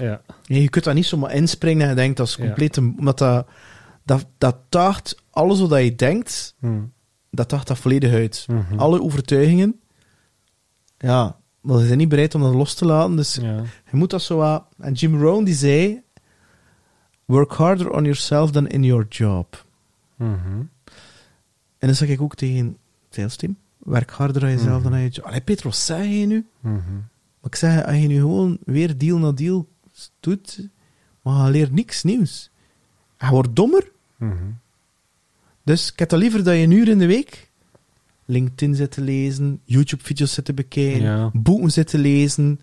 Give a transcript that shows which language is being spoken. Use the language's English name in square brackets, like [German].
[Dutch] Ja. Je kunt daar niet zomaar inspringen en je denkt, dat is compleet... Omdat dat taagt alles wat je denkt, dat taagt dat volledig uit. Mm-hmm. Alle overtuigingen, ja, maar ze zijn niet bereid om dat los te laten. Dus je moet dat zo wat... En Jim Rohn, die zei... [English] Work harder on yourself than in your job. Mm-hmm. [Dutch] En dan zeg ik ook tegen het sales team. Werk harder aan jezelf mm-hmm. dan aan je job. Allee, Peter, wat zeg je nu? Mm-hmm. Maar ik zeg, als je nu gewoon weer deal na deal doet, maar je leert niks nieuws. Je wordt dommer. Mm-hmm. Dus ik heb dan liever dat je een uur in de week LinkedIn zit te lezen, YouTube-video's zit te bekijken, boeken zit te lezen.